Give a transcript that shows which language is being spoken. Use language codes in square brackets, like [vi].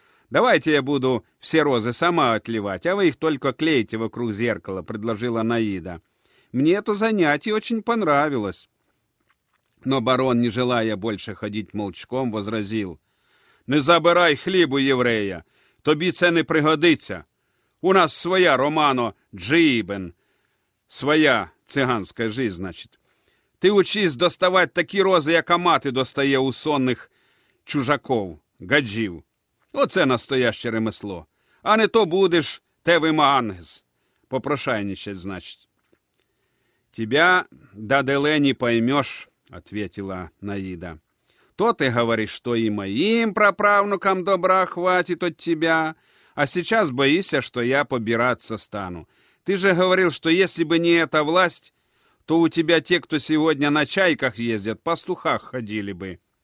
[ru] «Давайте я буду все розы сама отливать, а вы их только клейте вокруг зеркала», — предложила Наида. «Мне это занятие очень понравилось». Но барон, не желая больше ходить молчком, возразил: «Не забирай хлебу еврея! [uk] тобі це не пригодиться. У нас своя, [rom] Романо, джибен. [uk] Своя циганська жизнь, значить. Ти учись доставати такі рози, яка мати достає у сонних чужаков, гаджів. Оце настояще ремесло. А не то будеш [rom] теви мангез. [ru] Попрошайничать, значить. Тебя, даделе, не поймеш, ответила Наїда. [uk] То ти говориш, то і моїм праправнукам добра хватить от тебя. А сейчас боїся, що я побираться стану. Ти же говорив, що якщо б не ця власть, то у тебе ті, хто сьогодні на чайках їздять, по стухах ходили б.